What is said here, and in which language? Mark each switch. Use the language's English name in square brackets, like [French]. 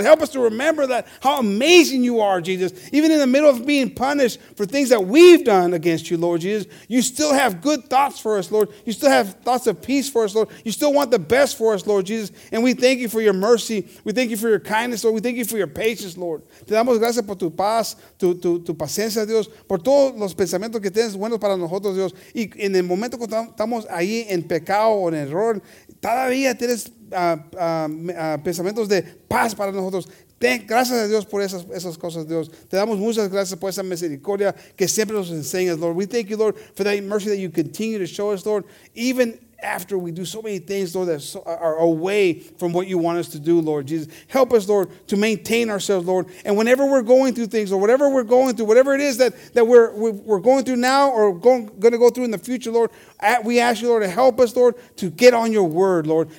[English] Help us to remember that how amazing you are, Jesus. Even in the middle of being punished for things that we've done against you, Lord Jesus, you still have good thoughts for us, Lord. You still have thoughts of peace for us, Lord. You still want the best for us, Lord Jesus. And we thank you for your mercy. We thank you for your kindness, Lord. We thank you for your patience, Lord. [Spanish] Te damos gracias por tu paz, tu paciencia, Dios, por todos los pensamientos que tienes buenos para nosotros, Dios. Y en el momento que estamos ahí en pecado o en error, todavía tienes pensamientos de paz para nosotros. Gracias a Dios por esas cosas, Dios. Te damos muchas gracias por esa misericordia que siempre nos enseñas, Lord. [English] We thank you, Lord, for that mercy that you continue to show us, Lord, even after we do so many things, Lord, that are away from what you want us to do, Lord Jesus. Help us, Lord, to maintain ourselves, Lord. And whenever we're going through things, or whatever we're going through, whatever it is that we're going through now or going to go through in the future, Lord, we ask you, Lord, to help us, Lord, to get on your word, Lord.